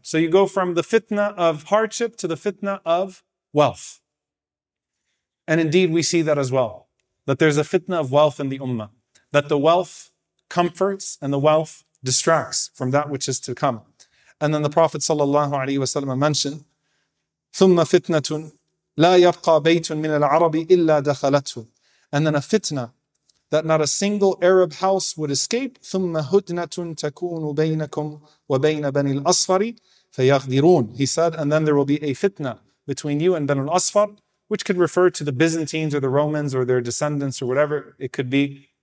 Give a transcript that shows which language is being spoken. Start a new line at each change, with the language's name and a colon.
English: So you go from the fitna of hardship to the fitna of wealth. And indeed, we see that as well, that there's a fitna of wealth in the ummah, that the wealth comforts and the wealth distracts from that which is to come. And then the Prophet sallallahu alaihi wasallam mentioned,
Arabic: ثُمَّ فِتْنَةٌ لَا يَبْقَى بَيْتٌ مِنَ الْعَرَبِ إِلَّا دَخَلَتْهُ.
English: And then a fitna, that not a single Arab house would escape.
Arabic: ثُمَّ هُدْنَةٌ تَكُونُ بَيْنَكُمْ وَبَيْنَ بَنِي الْأَصْفَرِ فَيَغْدِرُونَ.
English: He said, and then there will be a fitna between you and Banu al-Asfar, which could refer to the Byzantines or the Romans or their descendants or whatever it could be.